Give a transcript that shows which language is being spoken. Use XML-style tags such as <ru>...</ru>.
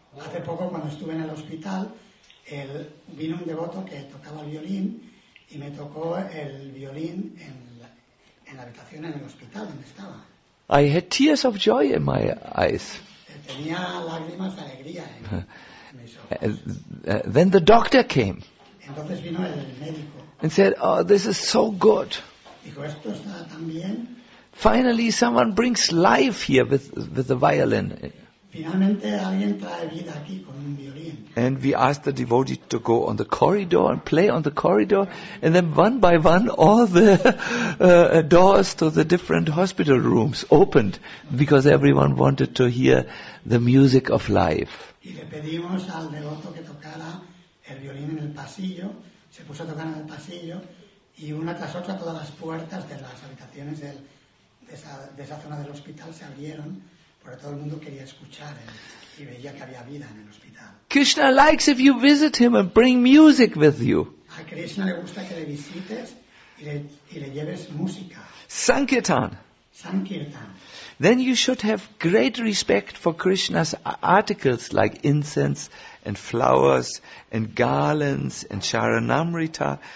<es>Hace poco, cuando estuve en el hospital, vino un devoto que tocaba violín y me tocó el violín en la habitación en el hospital donde estaba.</es> <en>I had tears of joy in my eyes.</en> <es>Tenía lágrimas de alegría.</es> <en>Then the doctor came.</en> <es>Entonces vino el médico.</es> <en>And said, oh, this is so good.</en> <es>Dijo, esto está tan bien.</es> <en>Finally, someone brings life here with the violin.</en> <es>Finalmente, alguien trae vida aquí con un violín.</es> <en>And we asked the devotee to go on the corridor and play on the corridor. And then one by one, all the doors to the different hospital rooms opened because everyone wanted to hear the music of life.</en> <es>Y le pedimos al devoto que tocara el violín en el pasillo. Se puso a tocar en el pasillo y una tras otra todas las puertas de las habitaciones de esa zona del hospital se abrieron porque todo el mundo quería escuchar y veía que había vida en el hospital.</es> <en>Krishna likes if you visit him and bring music with you.</en> <es>A Krishna le gusta que le visites y le lleves música.</es> <sa>Sankirtan.</sa> <en>Then you should have great respect for Krishna's articles like incense and flowers and garlands and Charanamrita.</en>